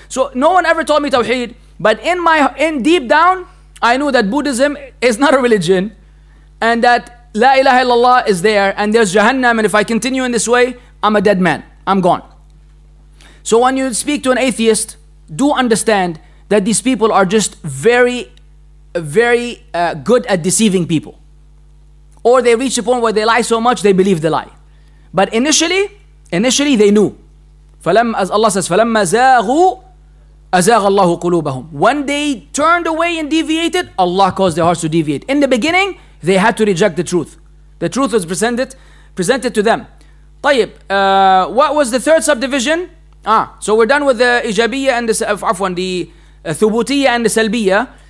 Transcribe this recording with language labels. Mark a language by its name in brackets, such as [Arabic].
[English] So no one ever taught me Tawheed. But deep down, I knew that Buddhism is not a religion, and that La ilaha illallah is there, and there's Jahannam, and if I continue in this way, I'm a dead man. I'm gone. So when you speak to an atheist, do understand that these people are just very, very good at deceiving people. Or they reach a point where they lie so much, they believe the lie. But initially they knew. [Arabic] As Allah says, فَلَمَّ زَاغُوا أَزَاغَ اللَّهُ قُلُوبَهُمْ. [English] When they turned away and deviated, Allah caused their hearts to deviate. In the beginning, they had to reject the truth. The truth was presented to them. طيب, what was the third subdivision? So we're done with the إجابية and the ثبوتية and the سلبية.